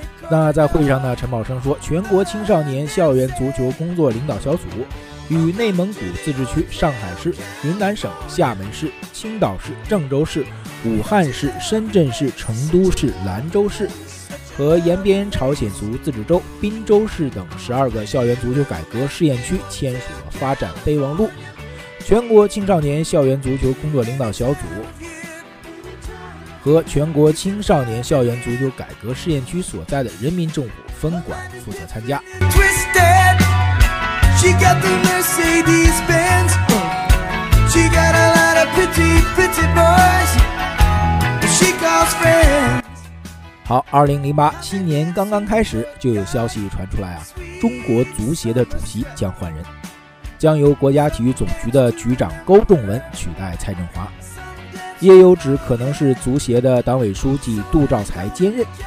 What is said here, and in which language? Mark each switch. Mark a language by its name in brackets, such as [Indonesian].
[Chinese] 那在会上呢，陈宝生说，全国青少年校园足球工作领导小组与内蒙古自治区、上海市、云南省、厦门市、青岛市、郑州市、武汉市、深圳市、成都市、兰州市和延边朝鲜族自治州、滨州市等12个校园足球改革试验区签署了发展备忘录。全国青少年校园足球工作领导小组和全国青少年校园足球改革试验区所在的人民政府分管负责参加。 [English] She got the Mercedes Benz. She got a lot of pretty, pretty boys. She calls friends. [Chinese] 好，2008新年刚刚开始，就有消息传出来啊，中国足协的主席将换人，将由国家体育总局的局长高仲文取代蔡振华。也有指可能是足协的党委书记杜兆才兼任。